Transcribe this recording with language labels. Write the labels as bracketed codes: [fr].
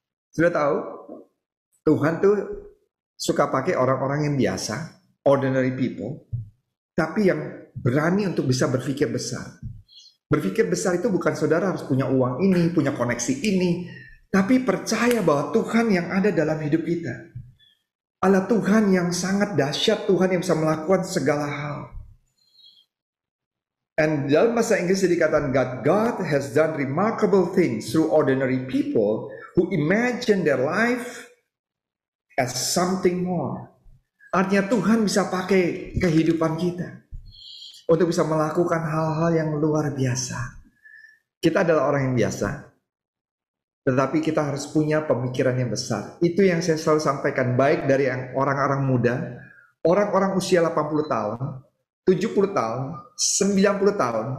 [id] Sudah tahu, Tuhan tuh suka pakai orang-orang yang biasa, [en] ordinary people, [id] tapi yang berani untuk bisa berpikir besar. Berpikir besar itu bukan saudara harus punya uang ini, punya koneksi ini, tapi percaya bahwa Tuhan yang ada dalam hidup kita adalah Tuhan yang sangat dahsyat, Tuhan yang bisa melakukan segala hal. [en] And [id] dalam bahasa Inggris dikatakan, [en] God has done remarkable things through ordinary people who imagine their life as something more. [id] Artinya Tuhan bisa pakai kehidupan kita untuk bisa melakukan hal-hal yang luar biasa. Kita adalah orang yang biasa, tetapi kita harus punya pemikiran yang besar. Itu yang saya selalu sampaikan, baik dari orang-orang muda, orang-orang usia 80 tahun, 70 tahun, 90 tahun.